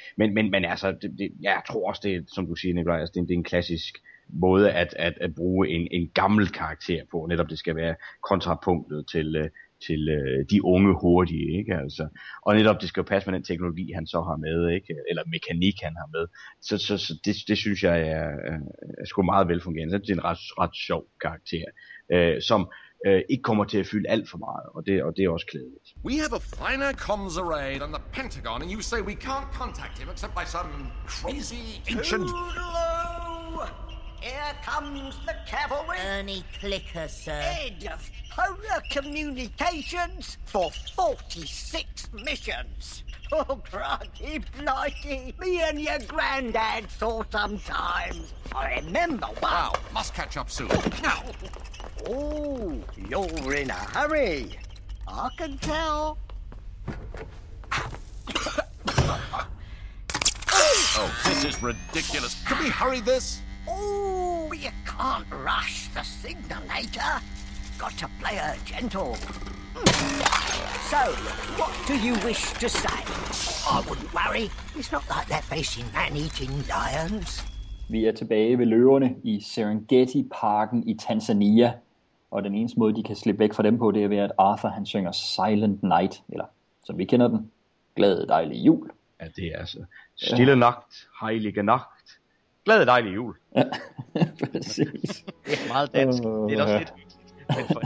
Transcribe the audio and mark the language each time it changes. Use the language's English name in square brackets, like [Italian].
[Danish] Men altså, jeg tror også, det som du siger, Nicolaj, altså, det er en klassisk måde at bruge en gammel karakter på, netop det skal være kontrapunktet til de unge hurtige, ikke? Altså, og netop det skal jo passe med den teknologi, han så har med, ikke? Eller mekanik, han har med. Så det synes jeg er sgu meget velfungerende. Det er en ret sjov karakter, som ikke kommer til at fylde alt for meget, og det er også klædeligt. [English] We have a finer comms array than the Pentagon, and you say we can't contact him except by some crazy ancient... Toodaloo! Here comes the cavalry. Ernie Clegg, sir. Head of Polar Communications for 46 missions. Oh, crikey blighty. Me and your granddad saw sometimes. I remember one. Wow, must catch up soon. Now. Oh, you're in a hurry. I can tell. Oh, this is ridiculous. Can we hurry this? Oh, you can't rush the signalator. Got to play her gentle. So, what do you wish to say? I wouldn't worry. It's not like they're facing man-eating lions. [Danish] Vi er tilbage ved løverne i Serengeti-parken i Tanzania. Og den eneste måde, de kan slippe væk fra dem på, det er ved, at Arthur han synger Silent Night. Eller, som vi kender den, Glade dejlige jul. Ja, det er altså [German] stille nagt, heilige nagt. [Danish] Glæde dejlig jul. Ja, det er meget dansk. Det er også lidt hyggeligt, men for